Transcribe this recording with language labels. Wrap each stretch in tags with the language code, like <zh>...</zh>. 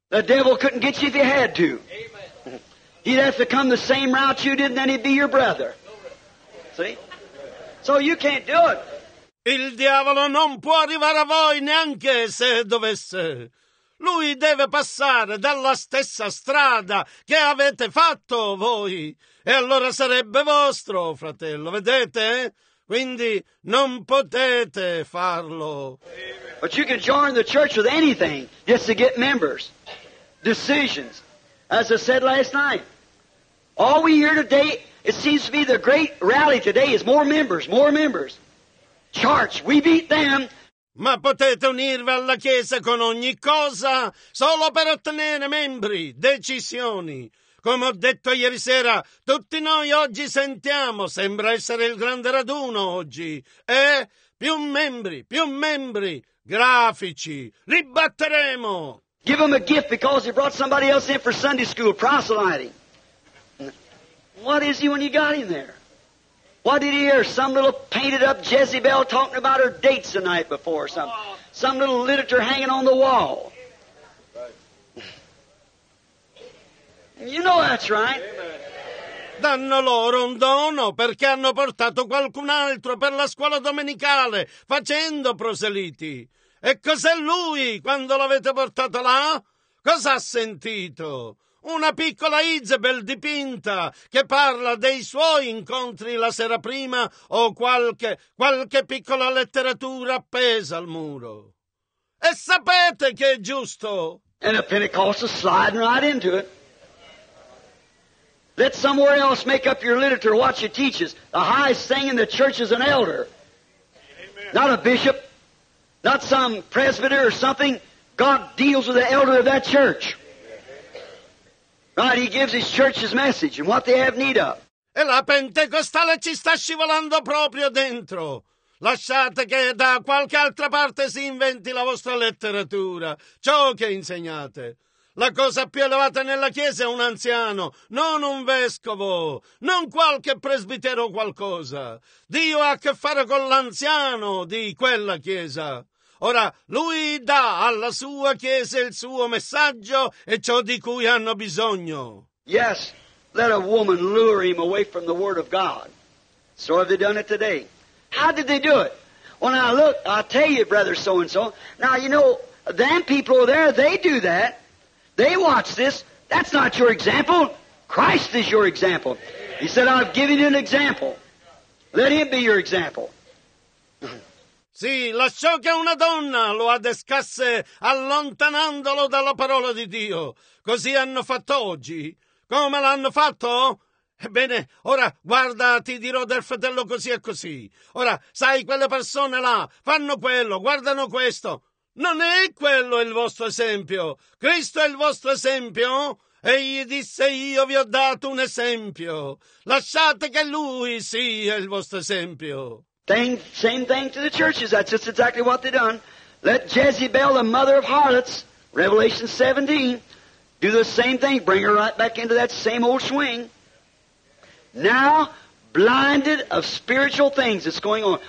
<en>The devil couldn't get you if he had to. Amen. He'd have to come the same route you did, and then he'd be your brother. See? So you can't do it.</en> <it>Il diavolo non può arrivare a voi neanche se dovesse. Lui deve passare dalla stessa strada che avete fatto voi. E allora sarebbe vostro, fratello, vedete? Quindi non potete farlo.</it> <en>But you can join the church with anything just to get members, decisions. As I said last night, all we hear today, it seems to be the great rally today is more members, church, we beat them.</en> <it>Ma potete unirvi alla Chiesa con ogni cosa solo per ottenere membri, decisioni. Come ho detto ieri sera, tutti noi oggi sentiamo, sembra essere il grande raduno oggi, e più membri, grafici, li batteremo.</it> <en>Give him a gift because he brought somebody else in for Sunday school, proselyting. What is he when you got him there? What did he hear? Some little painted up Jezebel talking about her dates the night before, some little literature hanging on the wall. You know that's right.</en> <it>Danno loro un dono perché hanno portato qualcun altro per la scuola domenicale facendo proseliti. E cos'è lui quando l'avete portato là? Cosa ha sentito? Una piccola Isabel dipinta che parla dei suoi incontri la sera prima o qualche piccola letteratura appesa al muro. E sapete che è giusto.</it> <en>And a Pentecostal sliding right into it. Let somewhere else make up your literature, what you teach is. The highest thing in the church is an elder. Amen. Not a bishop, not some presbyter or something. God deals with the elder of that church. Right, he gives his church his message and what they have need of.</en> <it>E la pentecostale ci sta scivolando proprio dentro. Lasciate che da qualche altra parte si inventi la vostra letteratura, ciò che insegnate. La cosa più elevata nella chiesa è un anziano, non un vescovo, non qualche presbitero o qualcosa. Dio ha a che fare con l'anziano di quella chiesa. Ora, lui dà alla sua chiesa il suo messaggio e ciò di cui hanno bisogno.</it> <en>Yes, let a woman lure him away from the Word of God. So have they done it today. How did they do it? Well, now look, I'll tell you, brother so-and-so. Now, you know, them people over there, they do that. They watch this. That's not your example. Christ is your example. He said, I've given you an example. Let him be your example.</en> <it>Sì, lasciò che una donna lo adescasse allontanandolo dalla parola di Dio. Così hanno fatto oggi. Come l'hanno fatto? Ebbene, ora, guarda, ti dirò del fratello così e così. Ora, sai, quelle persone là fanno quello, guardano questo. Non è quello il vostro esempio. Cristo è il vostro esempio? Egli disse, io vi ho dato un esempio. Lasciate che lui sia il vostro esempio.</it> <en>Same thing to the churches. That's just exactly what they've done. Let Jezebel, the mother of harlots, Revelation 17. Do the same thing. Bring her right back into that same old swing. Now, blinded of spiritual things that's going on.</en>